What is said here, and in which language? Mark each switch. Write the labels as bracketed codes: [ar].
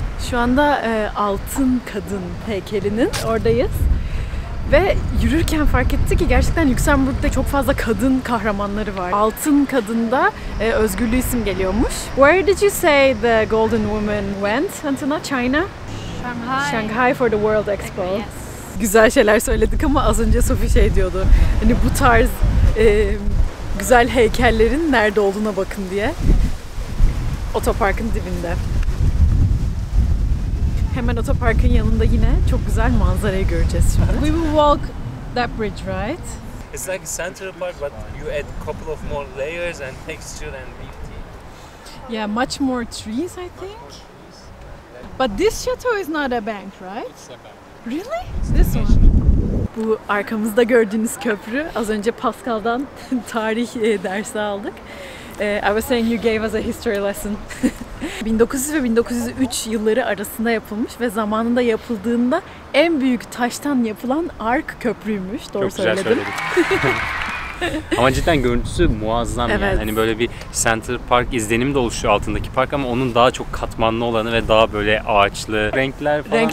[tr] Şu anda altın kadın heykelinin oradayız ve yürürken fark ettik ki gerçekten Lüksemburg'da çok fazla kadın kahramanları var. Altın kadında özgürlüğü isim geliyormuş. [en] Where did you say the golden woman went, Antuna? China? Shanghai. Shanghai for the World Expo. Yes. [tr] Güzel şeyler söyledik ama az önce Sophie şey diyordu. Hani bu tarz güzel heykellerin nerede olduğuna bakın diye. Otoparkın dibinde. Hemen otoparkın yanında yine çok güzel manzarayı göreceğiz şimdi. [en] We will walk that bridge, right? It's like Central Park, but you add couple of more layers and texture and beauty. Yeah, much more trees, I think. But this chateau is not a bank, right? It's a bank. Really? It's this one. [tr] Bu arkamızda gördüğünüz köprü, az önce Pascal'dan tarih dersi aldık. [en] I was saying you gave us a history lesson. [tr] 1900 ve 1903 yılları arasında yapılmış ve zamanında yapıldığında en büyük taştan yapılan ark köprüymüş. Doğru çok söyledim. Güzel söyledim. Ama cidden görüntüsü muazzam evet. Yani. Hani böyle bir Central Park izlenim de oluşuyor altındaki park ama onun daha çok katmanlı olanı ve daha böyle ağaçlı renkler falan.